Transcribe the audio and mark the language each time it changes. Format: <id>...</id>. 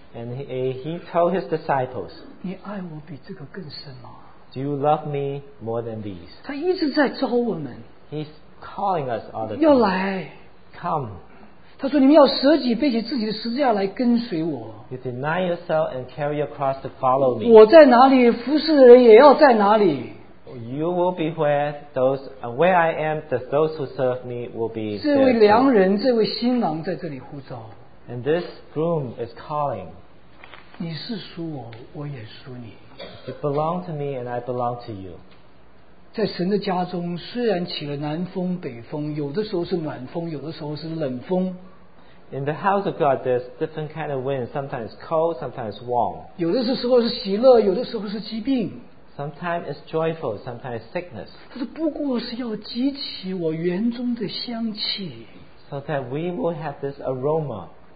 <en>and he told his disciples.</en> <zh>你爱我比这个更深吗?</zh> <en>Do you love me more than these?</en> <zh>他一直在召我们,</zh> <en>He's calling us all the time.</en> <zh>要来,</zh> <en>Come.</en> <zh>他说：“你们要舍己，背起自己的十字架来跟随我。”</zh> <en>You deny yourself and carry your cross to follow me.</en> <zh>我在哪里，服侍的人也要在哪里。</zh> <en>You will be where those where I am. Those who serve me will be.</en> <zh>这位良人，这位新郎在这里呼召。</zh> <en>And this groom is calling.</en> <zh>你是属我，我也属你。</zh> <en>You belong to me, and I belong to you.</en> <zh>在神的家中，虽然起了南风、北风，有的时候是暖风，有的时候是冷风。</zh> <en>In the house of God, there's different kind of wind. Sometimes cold, sometimes warm.</en> <zh>有的时候是喜乐，有的时候是疾病。</zh> <en>Sometimes it's joyful, sometimes sickness.</en> <zh>他说：“不过是要激起我园中的香气。”</zh> <en>So that we will have this aroma.</en>